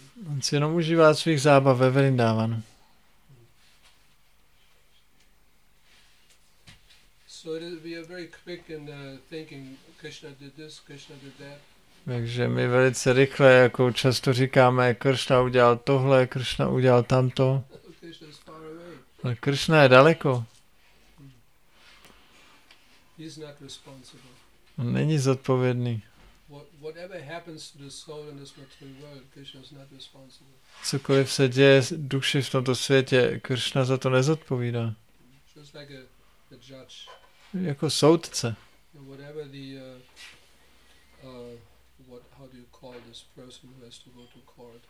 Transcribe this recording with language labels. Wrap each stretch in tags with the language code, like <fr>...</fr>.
<cs>On si jenom užívá svých zábav ve Vrindavanu.</cs> <en>So it we are very quick in thinking Krishna did this, Krishna did that.</en> <cs>Takže my velice rychle, jako často říkáme, Krishna udělal tohle, Krishna udělal tamto.</cs> <en>Krishna is far away.</en> <cs>Ale Krishna je daleko.</cs> <en>He's not responsible.</en> <cs>On není zodpovědný.</cs> <en>Whatever happens to the soul in this material world, Krishna is not responsible.</en> <cs>Cokoliv se děje duši v tomto světě, Krishna za to nezodpovídá.</cs> <en>Just like a judge.</en> <cs>Jako soudce.</cs> <en>Whatever the what, how do you call this person who has to go to court?</en>